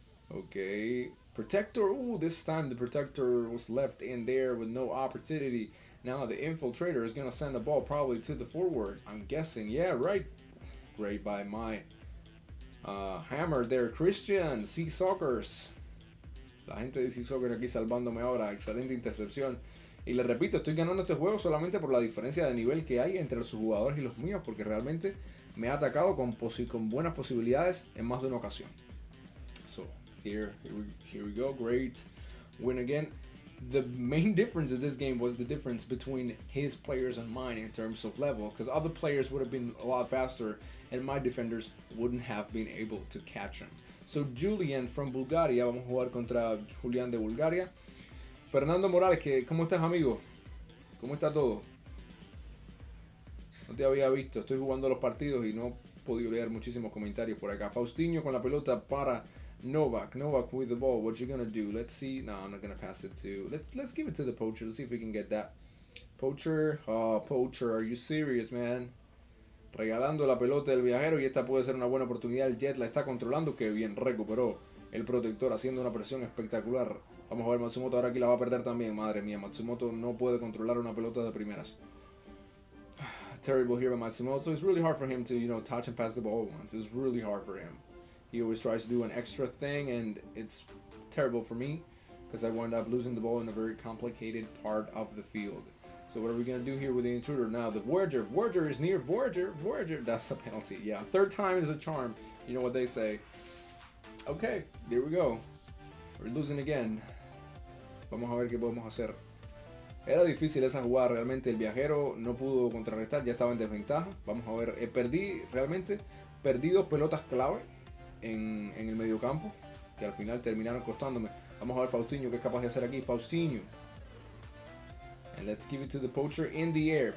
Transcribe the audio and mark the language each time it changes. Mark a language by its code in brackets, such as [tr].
[en] Okay. Protector, ooh, this time the protector was left in there with no opportunity. Now the infiltrator is gonna send the ball probably to the forward. I'm guessing, yeah, right. Great by my hammer there, Christian, Sea Soccers. [es] La gente de Sea Soccer aquí salvándome ahora, excelente intercepción. Y le repito, estoy ganando este juego solamente por la diferencia de nivel que hay entre sus jugadores y los míos, porque realmente me ha atacado con buenas posibilidades en más de una ocasión. [en] So, here we go, great win again. The main difference in this game was the difference between his players and mine in terms of level, because other players would have been a lot faster and my defenders wouldn't have been able to catch him. So Julian from Bulgaria, [es] vamos a jugar contra Julian de Bulgaria. Fernando Morales, ¿qué? ¿Cómo estás, amigo? ¿Cómo está todo? No te había visto, estoy jugando los partidos y no he podido leer muchísimos comentarios por acá. Faustino con la pelota para Novak. [en] Novak with the ball, what you gonna do? Let's see. No, I'm not gonna pass it to... Let's give it to the poacher, let's see if we can get that. Poacher, oh, poacher, are you serious, man? [es] Regalando la pelota del viajero y esta puede ser una buena oportunidad. El Jet la está controlando, qué bien, recuperó el protector haciendo una presión espectacular. Vamos a ver, Matsumoto ahora aquí la va a perder también. Madre mía, Matsumoto no puede controlar una pelota de primeras. [en] Terrible here by Matsumoto. It's really hard for him to, you know, touch and pass the ball once. It's really hard for him. He always tries to do an extra thing and it's terrible for me because I wind up losing the ball in a very complicated part of the field. So what are we going to do here with the intruder? Now the Voyager. Voyager is near. Voyager. Voyager. That's a penalty. Yeah. Third time is a charm. You know what they say. Okay. There we go. We're losing again. [es] Vamos a ver qué podemos hacer. Era difícil esa jugada. Realmente el viajero no pudo contrarrestar. Ya estaba en desventaja. Vamos a ver. Perdí realmente. Perdí dos pelotas clave en el mediocampo que al final terminaron costándome. Vamos a ver Faustino qué es capaz de hacer aquí. Faustino. [en] And let's give it to the poacher in the air.